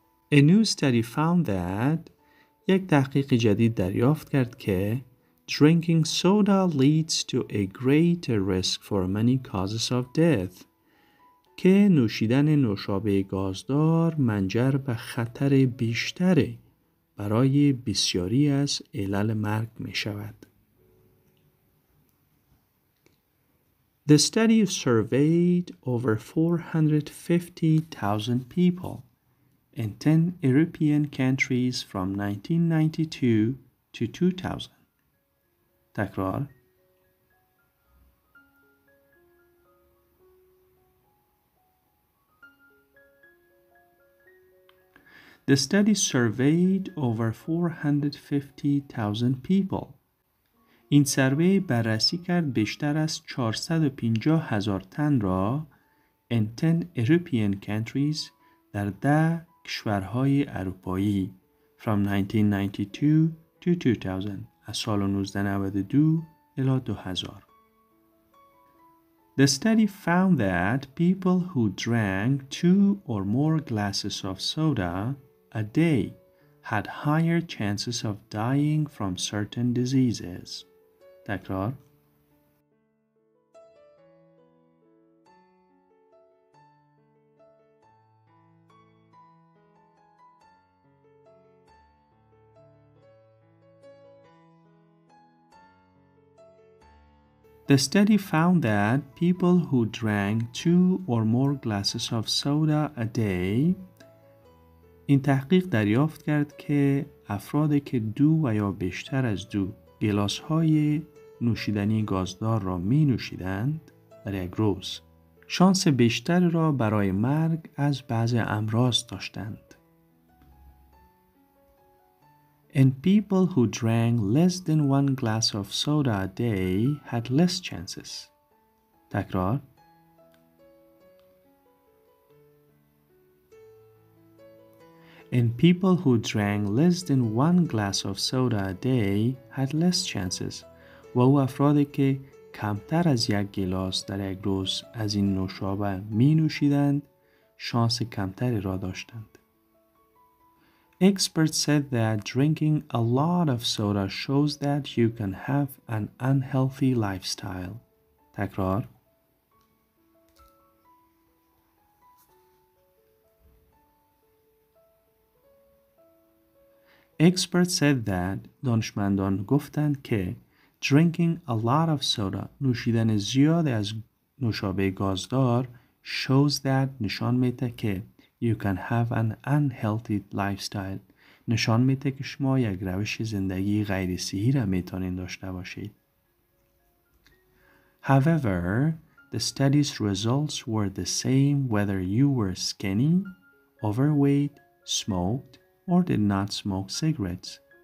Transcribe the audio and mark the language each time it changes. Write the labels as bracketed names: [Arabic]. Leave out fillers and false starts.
[English] A new study found that [Persian] یک تحقیق جدید دریافت کرد که [English] drinking soda leads to a greater risk for many causes of death. [Persian] که نوشیدن نوشابه گازدار منجر به خطر بیشتری برای بسیاری از علل مرگ می شود. [English] The study surveyed over 450,000 people in 10 European countries from 1992 to 2000. [Persian] تکرار. [English] The study surveyed over 450,000 people. [Persian] این سروی بررسی کرد بیشتر از 450 هزار تن را [English] in 10 European countries [Persian] در 10 کشورهای اروپایی [English] from 1992 to 2000 [Persian] از سال 1992 الی 2000. [English] The study found that people who drank two or more glasses of soda a day had higher chances of dying from certain diseases. [Persian] تکرار. [English] The study found that people who drank two or more glasses of soda a day. [Persian] این تحقیق دریافت کرد که افرادی که دو و یا بیشتر از دو گلاس های نوشیدنی گازدار را می نوشیدند در یک روز شانس بیشتر را برای مرگ از بعضی امراض داشتند. [English] And people who drank less than one glass of soda a day had less chances. [Persian] تکرار. [English] And people who drank less than one glass of soda a day had less chances. [Persian] و او افرادی که کمتر از یک گلاس در یک روز از این نوشابه می نوشیدند شانس کمتری را داشتند. [English] Experts said that drinking a lot of soda shows that you can have an unhealthy lifestyle. [Persian] تکرار. [English] Experts said that [Persian] دانشمندان گفتند که [English] drinking a lot of soda [Persian] نوشیدن زیاد از نوشابه گازدار [English] shows that [Persian] نشان میده که [English] you can have an unhealthy lifestyle [Persian] نشان میده که شما یک روش زندگی غیر صحی را میتونید داشته باشید. [English] However, the study's results were the same whether you were skinny, overweight, smoked or did not smoke cigarettes.